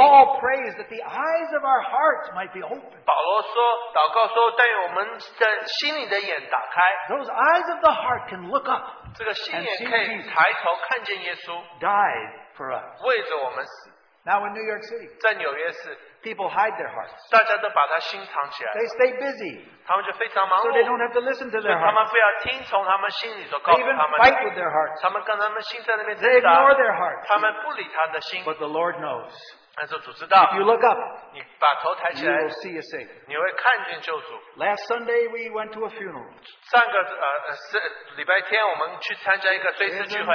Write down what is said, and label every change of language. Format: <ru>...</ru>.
<en>Paul prays that the eyes of our hearts might be open.</en> <zh>保罗说, 祷告说, 但我们的心里的眼打开,</zh> <en>those eyes of the heart can look up,</en> <zh>这个心眼可以抬头, 看见耶稣,</zh> <en>died for us.</en> <zh>为着我们死,</zh> <en>now in New York City,</en> <zh>在纽约市,</zh> <en>people hide their hearts.</en> <zh>大家都把它心藏起来,</zh> <en>they stay busy.</en> <zh>他们就非常忙碌,</zh> <en>so they don't have to listen to their hearts.</en> <zh>他们不要听从他们心里所告诉他们的,</zh> <en>they even fight with their hearts.</en> <zh>他们跟他们心在那边挣扎,</zh> <en>they ignore their hearts.</en> <zh>他们不理他的心,</zh> <en>but the Lord knows.</en> <zh>但是主知道,</zh> <en>if you look up,</en> <zh>你把头抬起来,</zh> <en>you will see a Savior.</en> <zh>你会看见救主。</zh> <en>Last Sunday, we went to a funeral.</en> <zh>上个礼拜天我们去参加一个追思聚会,</zh>